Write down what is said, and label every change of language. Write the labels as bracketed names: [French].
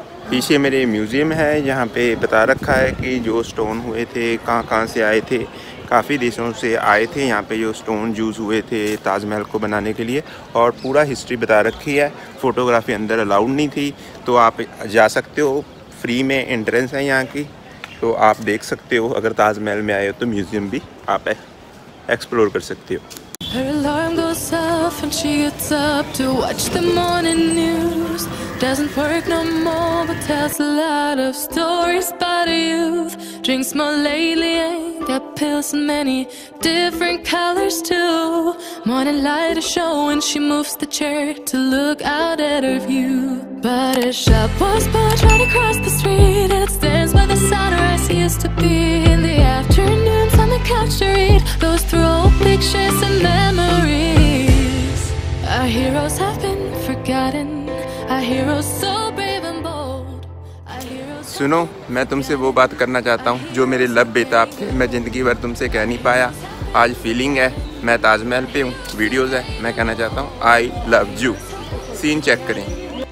[Hindi] पीछे मेरे म्यूज़ियम है, यहाँ पे बता रखा है कि जो स्टोन हुए थे कहाँ कहाँ से आए थे, काफ़ी देशों से आए थे यहाँ पे जो स्टोन यूज़ हुए थे ताजमहल को बनाने के लिए, और पूरा हिस्ट्री बता रखी है। फ़ोटोग्राफी अंदर अलाउड नहीं थी, तो आप जा सकते हो, फ्री में एंट्रेंस है यहाँ की, तो आप देख सकते हो। अगर ताजमहल में आए हो तो म्यूज़ियम भी आप एक्सप्लोर कर सकते हो। [English] Her alarm goes off and she gets up to watch the morning news. Doesn't work no more but tells a lot of stories about a youth. Drinks more lately, ain't got pills in many different colors too. Morning light is showing, she moves the chair to look out at her view. But a shop was built right across the street. It stands where the sunrise used to be in the afternoon. Couch to read, goes through old pictures and memories. Our heroes have been forgotten. Our heroes so brave and bold. [Hindi] सुनो, मैं तुमसे वो बात करना चाहता हूँ जो मेरे लव बेताब थे, मैं जिंदगी भर तुमसे कह नहीं पाया। आज फीलिंग है, मैं ताजमहल पे हूँ, वीडियोज है, मैं कहना चाहता हूँ I love you. Scene check करें।